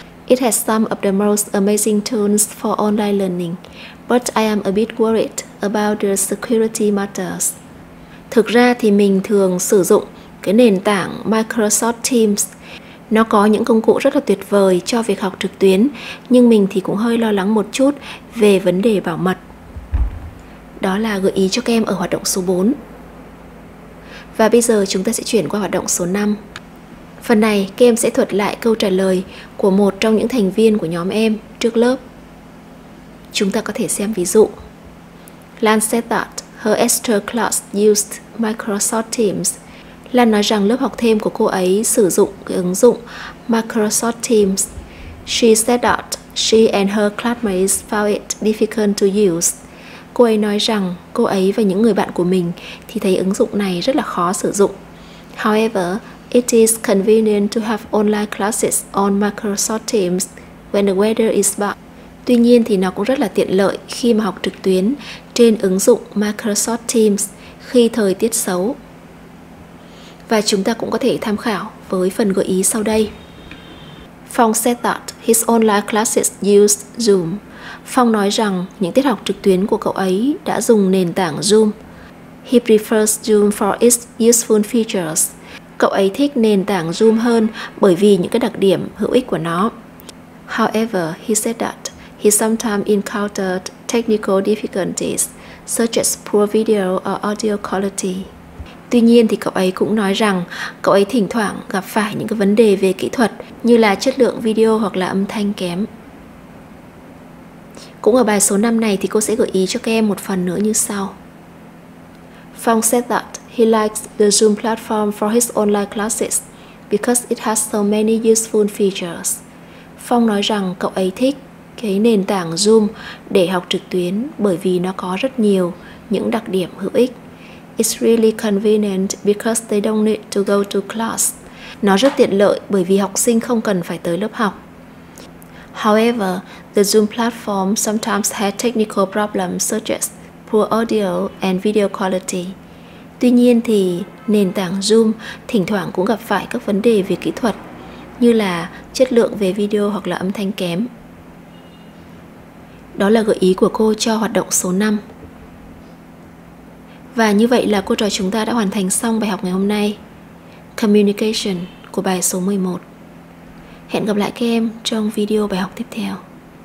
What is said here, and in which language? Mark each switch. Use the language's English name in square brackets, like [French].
[English] It has some of the most amazing tools for online learning, but I am a bit worried about the security matters. [Vietnamese] Thực ra thì mình thường sử dụng cái nền tảng Microsoft Teams. Nó có những công cụ rất là tuyệt vời cho việc học trực tuyến, nhưng mình thì cũng hơi lo lắng một chút về vấn đề bảo mật. Đó là gợi ý cho các em ở hoạt động số 4. Và bây giờ chúng ta sẽ chuyển qua hoạt động số 5. Phần này, các em sẽ thuật lại câu trả lời của một trong những thành viên của nhóm em trước lớp. Chúng ta có thể xem ví dụ. [English] Lan said that her extra class used Microsoft Teams. [Vietnamese] Lan nói rằng lớp học thêm của cô ấy sử dụng cái ứng dụng Microsoft Teams. [English] She said that she and her classmates found it difficult to use. [Vietnamese] Cô ấy nói rằng cô ấy và những người bạn của mình thì thấy ứng dụng này rất là khó sử dụng. [English] However, it is convenient to have online classes on Microsoft Teams when the weather is bad. [Vietnamese] Tuy nhiên thì nó cũng rất là tiện lợi khi mà học trực tuyến trên ứng dụng Microsoft Teams khi thời tiết xấu. Và chúng ta cũng có thể tham khảo với phần gợi ý sau đây. [English] Phong said that his online classes used Zoom. [Vietnamese] Phong nói rằng những tiết học trực tuyến của cậu ấy đã dùng nền tảng Zoom. [English] He prefers Zoom for its useful features. [Vietnamese] Cậu ấy thích nền tảng Zoom hơn bởi vì những cái đặc điểm hữu ích của nó. [English] However, he said that he sometimes encountered technical difficulties such as poor video or audio quality. [Vietnamese] Tuy nhiên thì cậu ấy cũng nói rằng cậu ấy thỉnh thoảng gặp phải những cái vấn đề về kỹ thuật như là chất lượng video hoặc là âm thanh kém. Cũng ở bài số 5 này thì cô sẽ gợi ý cho các em một phần nữa như sau. [English] Phong said that he likes the Zoom platform for his online classes because it has so many useful features. [Vietnamese] Phong nói rằng cậu ấy thích cái nền tảng Zoom để học trực tuyến bởi vì nó có rất nhiều những đặc điểm hữu ích. [English] It's really convenient because they don't need to go to class. [Vietnamese] Nó rất tiện lợi bởi vì học sinh không cần phải tới lớp học. [English] However, the Zoom platform sometimes has technical problems such as poor audio and video quality. [Vietnamese] Tuy nhiên thì nền tảng Zoom thỉnh thoảng cũng gặp phải các vấn đề về kỹ thuật như là chất lượng về video hoặc là âm thanh kém. Đó là gợi ý của cô cho hoạt động số 5. Và như vậy là cô trò chúng ta đã hoàn thành xong bài học ngày hôm nay, Communication của bài số 11. Hẹn gặp lại các em trong video bài học tiếp theo.